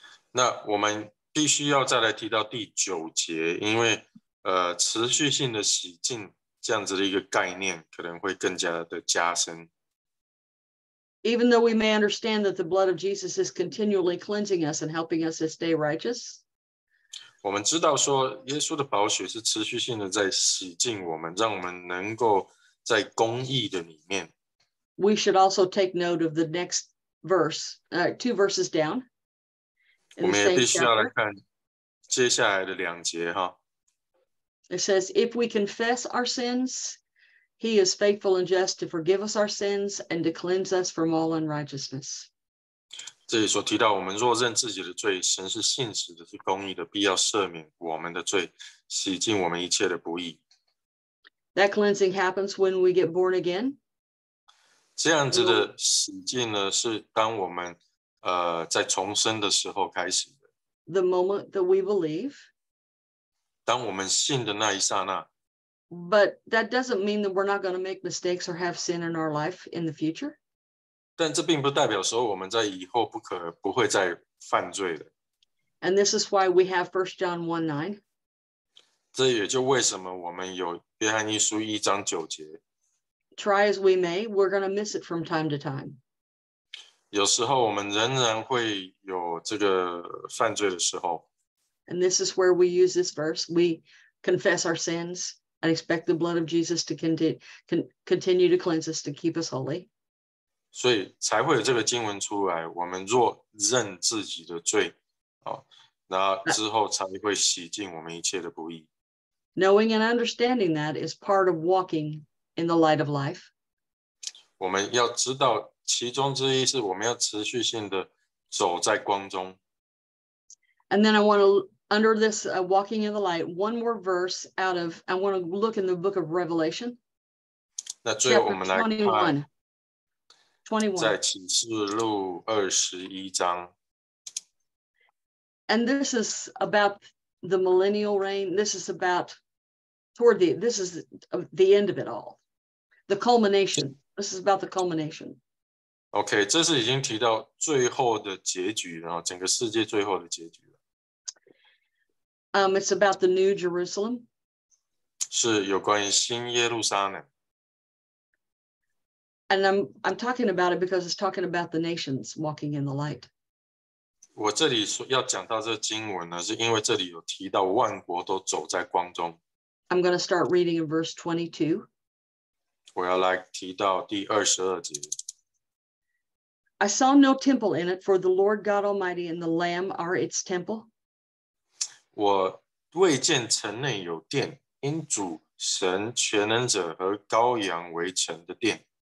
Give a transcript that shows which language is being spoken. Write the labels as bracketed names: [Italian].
[Chinese] 那我们必须要再来提到第九节，因为持续性的洗净这样子的一个概念可能会更加的加深。 [English] Even though we may understand that the blood of Jesus is continually cleansing us and helping us to stay righteous, [Chinese] 我们知道说耶稣的宝血是持续性的在洗净我们，让我们能够在公义的里面。 [English] We should also take note of the next verse, two verses down. [Chinese] 我们也必须要来看接下来的两节哈。 [English] It says, if we confess our sins,He is faithful and just to forgive us our sins and to cleanse us from all unrighteousness. [Chinese] 这里所提到，我们若认自己的罪，神是信实的，是公义的，必要赦免我们的罪，洗净我们一切的不义。 [English] That cleansing happens when we get born again. [Chinese] 这样子的洗净呢，是当我们在重生的时候开始的。 [English] The moment that we believe. [Chinese] 当我们信的那一刹那。 [English] But that doesn't mean that we're not going to make mistakes or have sin in our life in the future. [Chinese] 但这并不代表说我们在以后不会再犯罪的。 [English] And this is why we have 1 John 1:9. [Chinese] 这也就为什么我们有约翰一书一章九节。 [English] Try as we may, we're going to miss it from time to time. [Chinese] 有时候我们仍然会有这个犯罪的时候。 [English] And this is where we use this verse. We confess our sins. I expect the blood of Jesus to continue to cleanse us, to keep us holy. [Chinese] 所以才会有这个经文出来，我们若认自己的罪，那之后才会洗净我们一切的不义。 [English] Knowing and understanding that is part of walking in the light of life. [Chinese] 我们要知道其中之一是我们要持续性的走在光中。 [English] And then I want to... Under this walking in the light, one more verse out of, I want to look in the book of Revelation. [Chinese] 那最后我们来看 [English] 21. [Chinese] 在启示录二十一章。 [English] And this is about the millennial reign. This is about toward the, this is the end of it all. The culmination. This is about the culmination. [Chinese] Okay, 这是已经提到最后的结局，然后整个世界最后的结局。 [English] It's about the New Jerusalem. [Chinese] 是有关于新耶路撒冷。 [English] And I'm talking about it because it's talking about the nations walking in the light. [Chinese] 我这里要讲到这经文呢，是因为这里有提到万国都走在光中。 [English] I'm going to start reading in verse 22. [Chinese] 我要来提到第二十二节。 [English] I saw no temple in it, for the Lord God Almighty and the Lamb are its temple. [Chinese] 我未见城内有殿，因主神全能者和羔羊为城的殿。